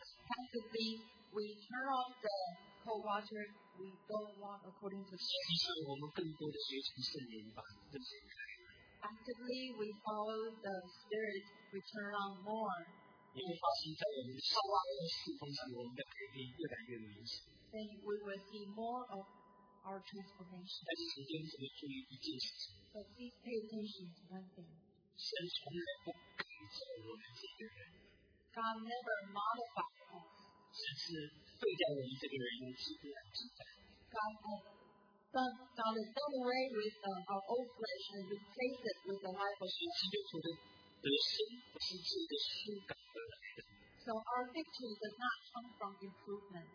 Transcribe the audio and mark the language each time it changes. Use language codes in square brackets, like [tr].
[en] Practically, we turn off the cold water, we don't walk according to the flesh. Actively, we follow the Spirit, we turn on more. [zh] 你会发现在我们的生活的事情上，我们的改变越来越明显。 [en] Then we will see more of our transformation. [zh] 但是首先我们注意一件事情。 [en] But please pay attention to one thing. [zh] 神从来不改造我们这个人。 [en] God never modified us. [zh] 只是废掉我们这个人，用基督来替代。 [en] God has done away with our old flesh and replaced it with the life of Jesus. [zh] 得胜不是自己的修改而来的。 [en] So our victory does not come from improvement.